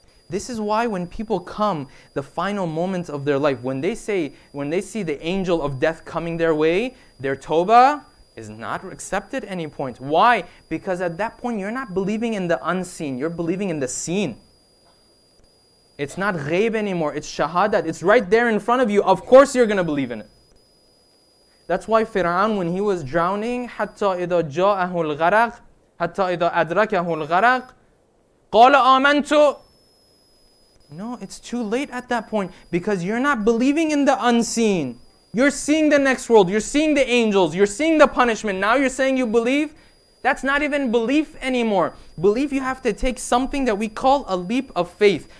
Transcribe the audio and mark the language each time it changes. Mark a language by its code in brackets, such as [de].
[en] This is why when people come, the final moments of their life, when they see the angel of death coming their way, their tawbah is not accepted at any point. Why? Because at that point, you're not believing in the unseen. You're believing in the seen. It's not ghaib anymore. It's shahadat. It's right there in front of you. Of course you're going to believe in it. That's why Fir'aun, when he was drowning, [ar] حَتَّى إِذَا جَاءَهُ الْغَرَقْ حَتَّى إِذَا أَدْرَكَهُ الْغَرَقْ قَالَ آمَنْتُ. [en] No, it's too late at that point because you're not believing in the unseen. You're seeing the next world. You're seeing the angels. You're seeing the punishment. Now you're saying you believe? That's not even belief anymore. Belief, you have to take something that we call a leap of faith.